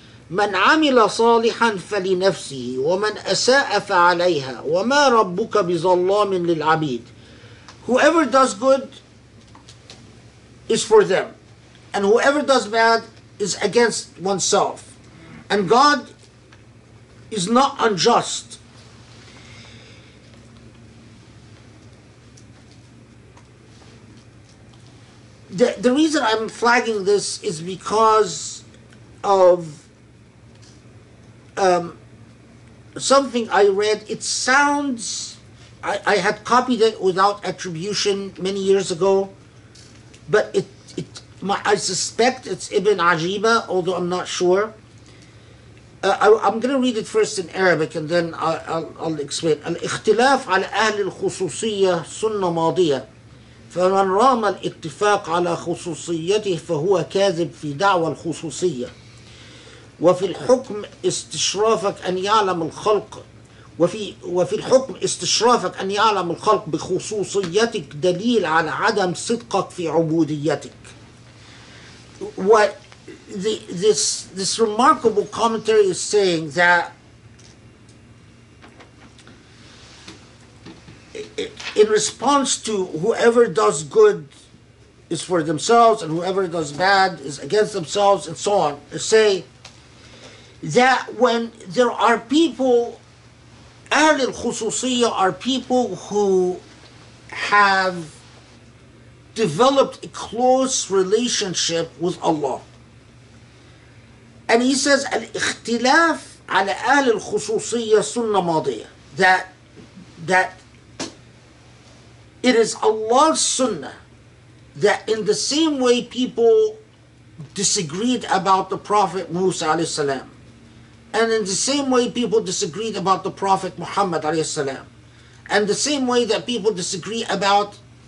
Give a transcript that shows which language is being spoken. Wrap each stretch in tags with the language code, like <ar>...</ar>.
<ar>من عمل صالحا فلنفسه ومن أساء فعليها وما ربك بظلام للعبيد.</ar> <en>Whoever does good is for them, and whoever does bad is against oneself, and God is not unjust. The reason I'm flagging this is because of something I read. It sounds, I had copied it without attribution many years ago, but I suspect it's Ibn Ajiba, although I'm not sure. I'm going to read it first in Arabic and then I'll explain.</en> <ar>الاختلاف على أهل الخصوصية سنة ماضية فمن رام الاتفاق على خصوصيته فهو كاذب في دعوى الخصوصية. وفي الحكم استشرافك أن يعلم الخلق وفي الحكم استشرافك أن يعلم الخلق بخصوصيتك دليل على عدم صدقك في عبوديتك.</ar> <en>What this remarkable commentary is saying that in response to whoever does good is for themselves and whoever does bad is against themselves and so on, say that when there are people, أهل الخصوصية are people who have developed a close relationship with Allah. And he says,</en> <ar>الاختلاف على أهل الخصوصية سنة ماضية.</ar> <en>That it is Allah's sunnah that in the same way people disagreed about the Prophet Musa عليه السلام, and in the same way people disagreed about the Prophet Muhammad alayhi salam, and the same way that people disagreed about</en>